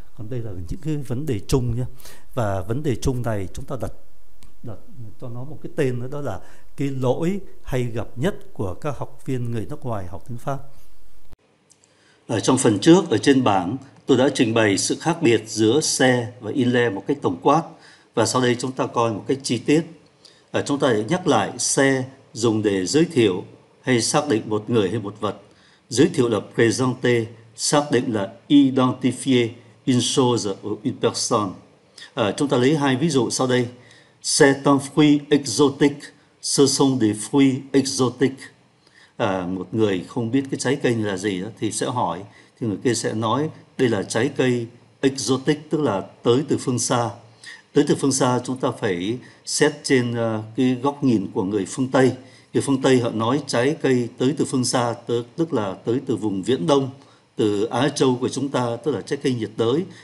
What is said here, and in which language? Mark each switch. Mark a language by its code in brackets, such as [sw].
[vi] Còn đây là những cái vấn đề chung nhé. Và vấn đề chung này chúng ta đặt cho nó một cái tên nữa, đó là cái lỗi hay gặp nhất của các học viên người nước ngoài học tiếng Pháp. Ở trong phần trước, ở trên bảng, tôi đã trình bày sự khác biệt giữa xe và il est một cách tổng quát. Và sau đây chúng ta coi một cách chi tiết. Chúng ta sẽ nhắc lại: xe dùng để giới thiệu hay xác định một người hay một vật. Giới thiệu là présenter, xác định là [fr] identifier une chose ou une personne. [vi] Chúng ta lấy hai ví dụ sau đây. [fr] C'est un fruit exotique, ce sont des fruits exotiques. [vi] Một người không biết cái trái cây là gì đó, thì sẽ hỏi, thì người kia sẽ nói đây là trái cây exotic, tức là tới từ phương xa. Tới từ phương xa chúng ta phải xét trên cái góc nhìn của người phương Tây. Người phương Tây họ nói trái cây tới từ phương xa, tức là tới từ vùng Viễn Đông, từ Á Châu của chúng ta, tức là trái cây nhiệt đới.